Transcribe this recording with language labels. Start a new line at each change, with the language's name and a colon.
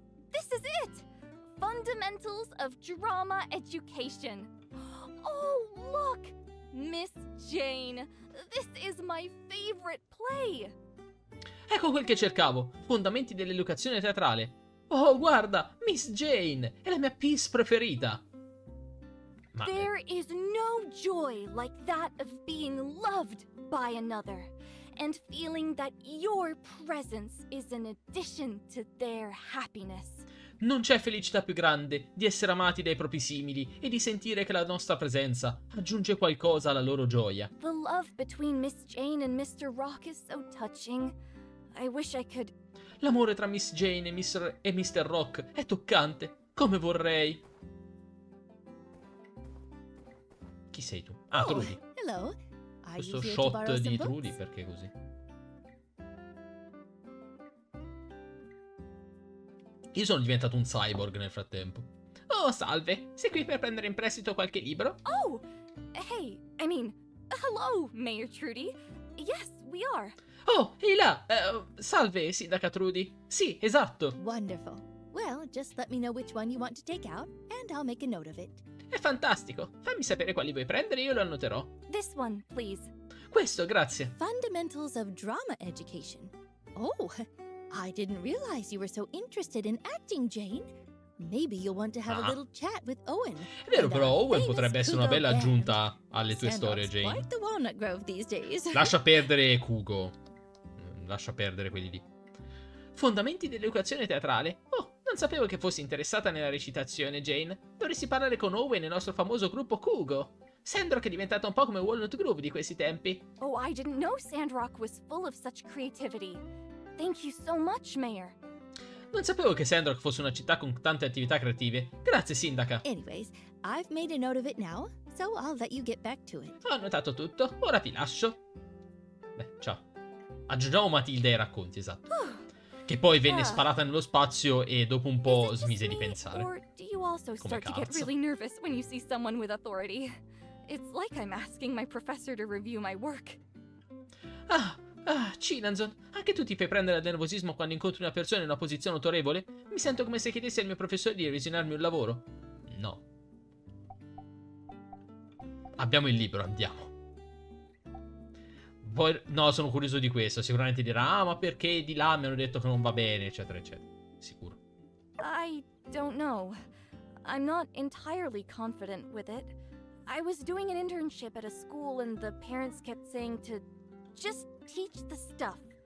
English: This is it! Fundamentals of Drama Education. Oh, look! Miss Jane, this is my favorite play!
Italian: Ecco quel che cercavo, Fondamenti dell'Educazione Teatrale. Oh, guarda, Miss Jane, è la mia piece preferita!
English: There is no joy like that of being loved by another and feeling that your presence is an addition to their happiness.
Italian: Non c'è felicità più grande di essere amati dai propri simili e di sentire che la nostra presenza aggiunge qualcosa alla loro gioia.
English: The love between Miss Jane and Mr. Rock is so touching. I wish I could.
Italian: L'amore tra Miss Jane e Mr. Rock è toccante. Come vorrei. Chi sei tu? Ah, Trudy.
English: Oh, hello.
Italian: Questo shot di Trudy, perché così? Io sono diventato un cyborg nel frattempo. Oh, salve. Sei qui per prendere in prestito qualche libro?
English: Oh, hey, I mean, hello, Mayor Trudy. Yes, we are.
Italian: Oh, ehi là. Salve, Sindaca Trudy. Sì, esatto.
English: Wonderful. Well, just let me know which one you want to take out, and I'll make a note of it.
Italian: È fantastico. Fammi sapere quali vuoi prendere e io lo annoterò.
English: This one, please.
Italian: Questo, grazie.
English: Fundamentals of Drama Education. Oh, I didn't realize you were so interested in acting, Jane. Maybe you'll want to have a little chat with Owen.
Italian: È vero, però Owen potrebbe essere una bella aggiunta alle tue storie, Jane.
English: Quite the walnut grove these days.
Italian: Lascia perdere Kugo. Lascia perdere quelli lì. Fondamenti dell'educazione teatrale. Oh, non sapevo che fossi interessata nella recitazione, Jane. Dovresti parlare con Owen e il nostro famoso gruppo Kugo. Sandrock è diventato un po' come Walnut Grove di questi tempi.
English: Oh, I didn't know Sandrock was full of such creativity. Thank you so much, Mayor.
Italian: Non sapevo che Sandrock fosse una città con tante attività creative. Grazie, Sindaca.
English: Anyways, I've made a note of it now, so I'll let you get back to it.
Italian: Ho annotato tutto, ora ti lascio. Beh, ciao. Aggiungiamo Matilda ai racconti, esatto. Che poi venne sparata nello spazio e dopo un po' smise di pensare.
English: Or do you also start to get really nervous when you see someone with authority? It's like I'm asking my professor to review my work.
Italian: Ah, Chinanzon, anche tu ti fai prendere al nervosismo quando incontri una persona in una posizione autorevole? Mi sento come se chiedessi al mio professore di revisionarmi un lavoro. No. Abbiamo il libro, andiamo. Poi, no, sono curioso di questo. Sicuramente dirà, ah, ma perché di là mi hanno detto che non va bene, eccetera, eccetera. Sicuro.
English: I don't know. I'm not entirely confident with it. I was doing an internship at a school and the parents kept saying to just teach the stuff.